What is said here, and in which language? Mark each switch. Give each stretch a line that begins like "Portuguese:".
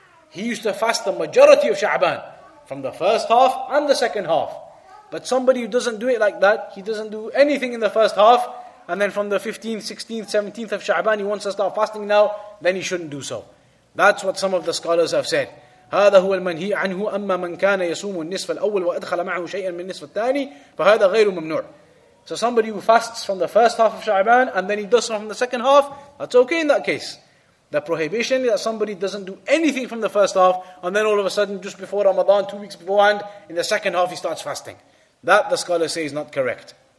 English: He used to fast the majority of Sha'ban, from the first half and the second half. But somebody who doesn't do it like that, he doesn't do anything in the first half, and then from the 15th, 16th, 17th of Sha'ban, he wants to start fasting now, then he shouldn't do so. That's what some of the scholars have said.
Arabic: هذا هو المنهي عنه أما من كان يسوم النصف الأول وأدخل معه شيئا من النصف الثاني فهذا غير ممنوع.
English: So somebody who fasts from the first half of Sha'ban and then he does some from the second half, that's okay in that case. The prohibition is that somebody doesn't do anything from the first half and then all of a sudden just before Ramadan, 2 weeks beforehand, in the second half he starts fasting. That, the scholars say, is not correct.